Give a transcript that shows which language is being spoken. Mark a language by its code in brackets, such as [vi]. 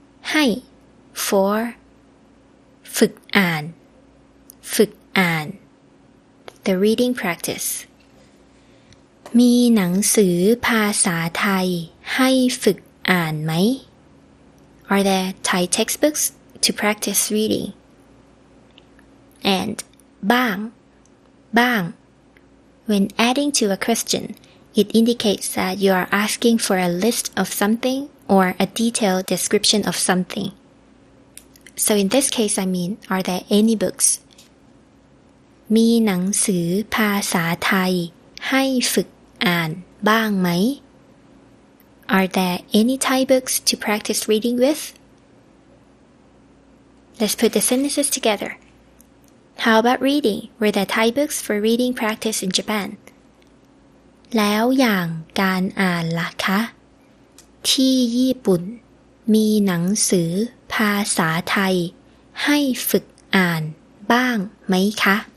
[en] ให้ให้ for ฝึกอ่านฝึกอ่าน The reading practice [th] มีหนังสือภาษาไทยให้ฝึกอ่านไหม [en] Are there Thai textbooks to practice reading? And บ้างบ้าง When adding to a question, it indicates that you are asking for a list of something or a detailed description of something. So in this case, I mean, are there any books? [th] มีหนังสือภาษาไทยให้ฝึกอ่านบ้างไหม [en] Are there any Thai books to practice reading with? Let's put the sentences together. How about reading? Were there Thai books for reading practice in Japan? [th] แล้วอย่างการอ่านล่ะคะที่ญี่ปุ่นมีหนังสือภาษาไทยให้ฝึกอ่านบ้างไหมคะ